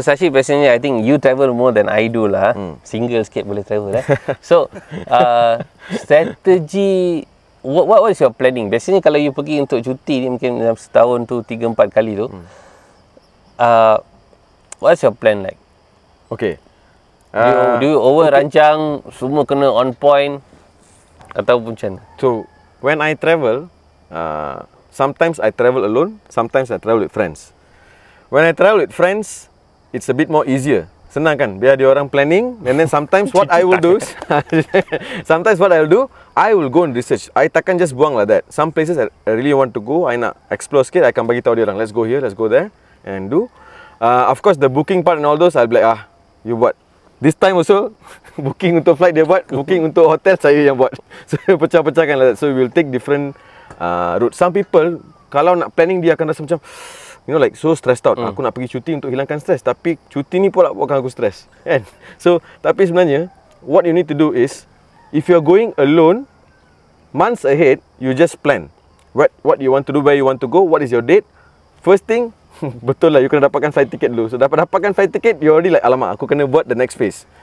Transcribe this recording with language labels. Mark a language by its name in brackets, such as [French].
[English] Shashi, basically I think you travel more than I do lah. Hmm. [Malay] Single sikit boleh travel lah. [English] So strategy, what is your planning? [Malay] Biasanya kalau you pergi untuk cuti ni mungkin dalam setahun tu 3-4 kali tu. [English] What's your plan like? Okay. Do you over [Malay] rancang, [English] okay, [Malay] semua kena [English] on point [Malay] ataupun macam mana? [English] So when I travel, sometimes I travel alone, sometimes I travel with friends. When I travel with friends, it's a bit more easier. [Malay] Senang kan? Biar dia orang [English] planning. And then sometimes what I will do is, sometimes what I will do, I will go and research. I [Malay] takkan [English] just [Malay] buang lah [English] that. Some places I really want to go, I [Malay] nak [English] explore [Malay] sikit, [English] I [Malay] akan bagi tahu dia orang, [English] let's go here, let's go there and do. Of course the booking part and all those, I'll be like, ah, you [Malay] buat. [English] This time also, booking [Malay] untuk [English] flight [Malay] dia buat, [English] booking untuk hotel [Malay] saya yang buat. [English] So [Malay] pecah-pecahkan lah [English] that. So we'll take different route. Some people, [Malay] kalau nak [English] planning, [Malay] dia akan rasa macam, [English] you know, like so stressed out. [Malay] Aku nak pergi cuti untuk hilangkan stress, tapi cuti ni pula buatkan aku stress. [English] And so, [Malay] tapi sebenarnya [English] what you need to do is, if you're going alone, months ahead you just plan what you want to do, where you want to go, what is your date. First thing, [Malay] betul lah, [English] you [Malay] kena dapatkan [English] flight ticket [Malay] dulu. [English] So [Malay] dapatkan [English] flight ticket, you already like, [Malay] alamak, aku kena buat [English] the next phase.